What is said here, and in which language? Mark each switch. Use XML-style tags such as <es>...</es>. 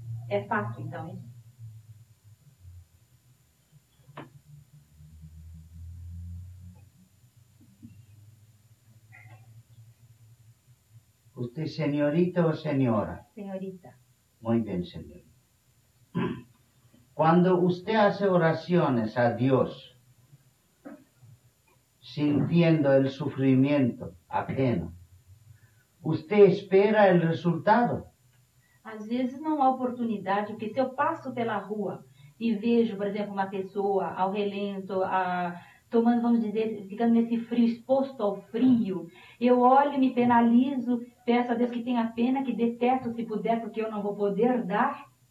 <pt>É fato, então, isso? Você, senhorita ou senhora? Senhorita. Muito bem, senhorita.</pt> <es>Cuando usted hace oraciones a Dios, sintiendo el sufrimiento ajeno, ¿usted espera el resultado? A veces no hay oportunidad, porque si yo paso por la</es> <pt>rua y vejo,</pt> <es>por ejemplo, una persona al relento,</es> <pt>tomando, vamos dizer, ficando nesse frio, exposto ao frio, eu olho, me penalizo, peço a Deus que tenha pena, que detesto se puder, porque eu não vou poder dar.</pt>